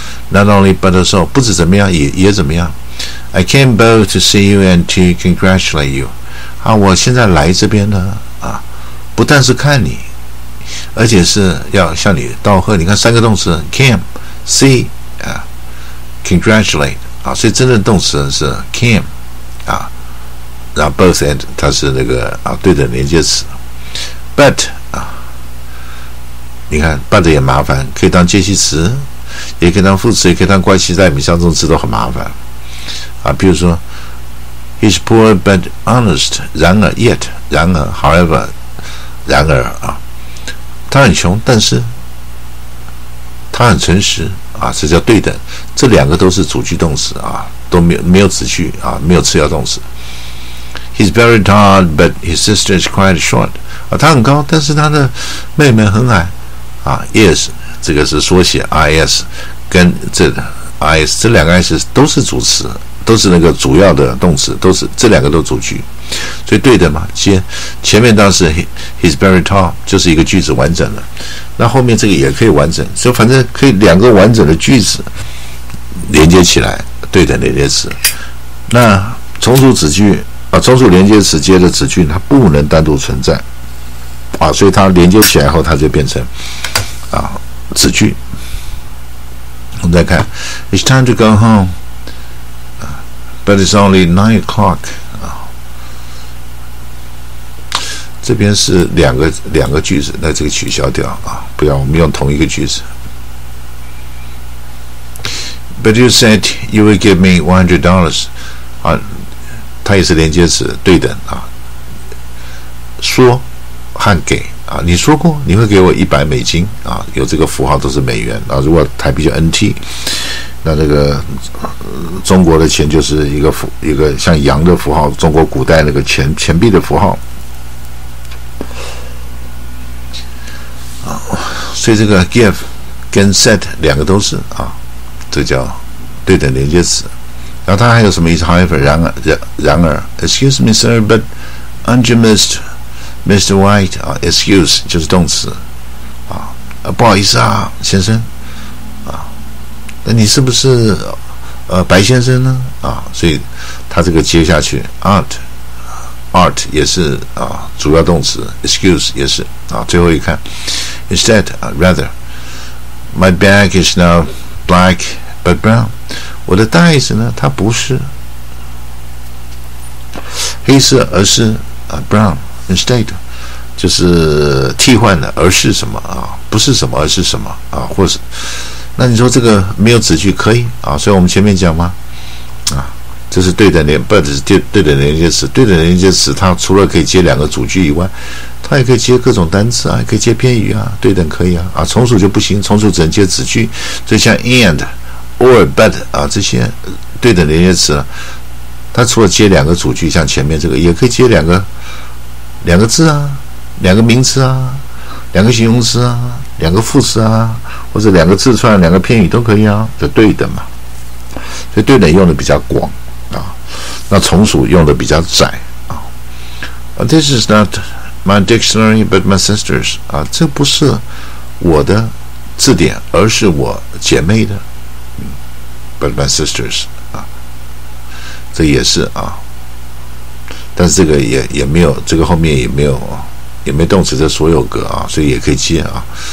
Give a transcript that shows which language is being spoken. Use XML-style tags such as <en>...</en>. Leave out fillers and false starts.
<en>Not only but also</en> <zh>不止怎么样 也怎么样。</zh> <en>I came both to see you and to congratulate you</en> <zh>啊，我现在来这边呢啊，不但是看你，而且是要向你道贺。你看三个动词 came see、congratulate 啊，所以真正动词是 came 啊，然后 both and 它是那个啊对等连接词。 but 啊，你看 but 也麻烦，可以当介系词，也可以当副词，也可以当关系代名词，动词都很麻烦啊。比如说</zh> <en>，He's poor but honest.</en> <zh>然而 ，yet， 然而 ，however， 然而啊，他很穷，但是他很诚实啊，这叫对等。这两个都是主句动词啊，都没有子句啊，没有次要动词。</zh> <en>He's very tall but his sister is quite short.</en> <zh>啊，他很高，但是他的妹妹很矮啊。</zh> <en>Yes。</en> <zh>这个是缩写 IS 跟这 IS 这两个 IS 都是主词，都是那个主要的动词，都是这两个都主句，所以对的嘛。前面当时</zh> <en>he's very tall</en> <zh>就是一个句子完整了，那后面这个也可以完整，所以反正可以两个完整的句子连接起来，对的连接词。那从属子句啊，从属连接词接的子句，它不能单独存在啊，所以它连接起来后，它就变成啊子句。我们再看</zh> <en>，It's time to go home, but it's only 9 o'clock.</en> <zh>这边是两个句子，那这个取消掉啊，不要，我们用同一个句子。</zh> <en>But you said you would give me $100啊，</en> <zh>它也是连接词，对等啊。说和给啊，你说过你会给我$100啊，有这个符号都是美元啊，如果台币叫 NT， 那这个、中国的钱就是一个像羊的符号，中国古代那个钱币的符号。所以这个 give 跟 set 两个都是啊，这叫对等连接词。然后它还有什么意思</zh> <en>？However， 然而 ，Excuse me, sir, but aren't you Mr. White？</en> <zh>啊 ，Excuse 就是动词啊，不好意思啊，先生啊，那你是不是白先生呢？啊，所以他这个接下去 ，art 也是啊，主要动词 ，excuse 也是啊，最后一看。</zh> <en>Instead, rather, my bag is now black but brown.</en> <zh>我的袋子呢？它不是黑色，而是brown. Instead, 就是替换的，而是什么啊？不是什么，而是什么啊？或是那你说这个没有子句可以啊？所以我们前面讲吗？啊，这是对等连 ，but 是对等连接词。对等连接词，它除了可以接两个主句以外。它也可以接各种单词啊，也可以接片语啊，对等可以啊，啊，从属就不行，从属只能接子句，就像 and、or、but 啊这些对等连接词，它除了接两个主句，像前面这个，也可以接两个字啊，两个名词啊，两个形容词啊，两个副词啊，或者两个字串、两个片语都可以啊，就对等嘛，所以对等用的比较广啊，那从属用的比较窄啊。</zh> <en>This is not. My dictionary, but my sister's.</en> <zh>啊，这不是我的字典，而是我姐妹的。</zh> <en>But my sister's. 啊，</en> <zh>这也是啊。但是这个也没有，这个后面也没有，也没动词的所有格啊，所以也可以接啊。</zh>